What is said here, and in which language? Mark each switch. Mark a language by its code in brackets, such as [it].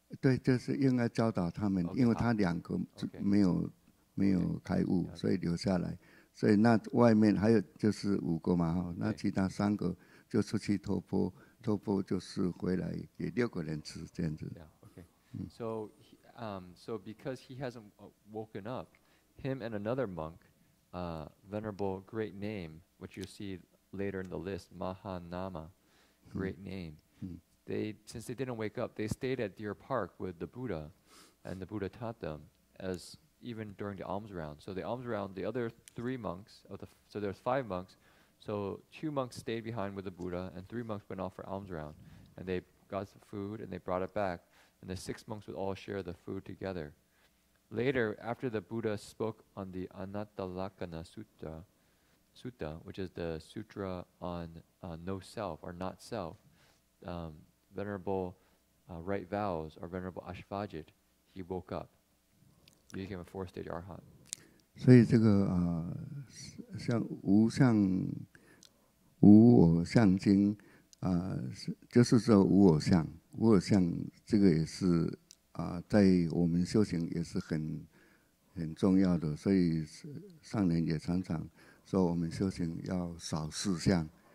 [zh] 对，就是应该教导他们， okay, 因为他两个没有 okay, 没有开悟 okay, 所以留下来，所以那外面还有就是五个嘛，那其他三个就出去托钵，托钵就是回来给六个人吃这样子。 [en] So because he hasn't woken up, him and another monk, venerable great name, which you see later in the list, Mahanama, great name, since they didn't wake up, they stayed at Deer Park with the Buddha, and the Buddha taught them, as even during the alms round. So the alms round, the other three monks, so there's five monks, so two monks stayed behind with the Buddha, and three monks went off for alms round, and they got some food, and they brought it back, and the six monks would all share the food together. Later, after the Buddha spoke on the Anattalakkhana Sutta, which is the sutra on no self, or not self, venerable right vows or venerable ashvajit, he woke up. He became a four stage arhat. [zh] 所以这个像无相无我相经就是说无我相，无我相这个也是在我们修行也是很重要的，所以上人也常常说我们修行要少四相。